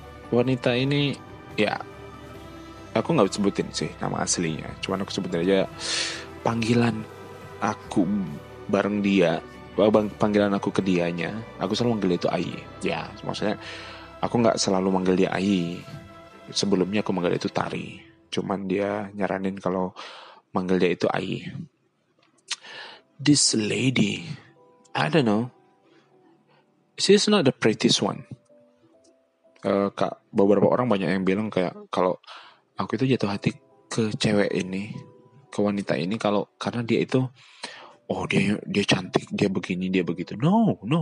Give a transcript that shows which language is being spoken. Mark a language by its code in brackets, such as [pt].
[id] Wanita ini, aku gak sebutin sih nama aslinya, cuman aku sebutin aja panggilan aku bareng dia, panggilan aku ke dianya. Aku selalu manggil itu Ayi. Ya, maksudnya aku gak selalu manggil dia Ayi. Sebelumnya aku manggil itu Tari, cuman dia nyaranin kalau manggil dia itu Ayi. [en] This lady, I don't know, she's not the prettiest one. [id] Beberapa orang banyak yang bilang kayak kalau aku itu jatuh hati ke cewek ini, ke wanita ini, kalau karena dia itu, oh, dia cantik, dia begini, dia begitu. No.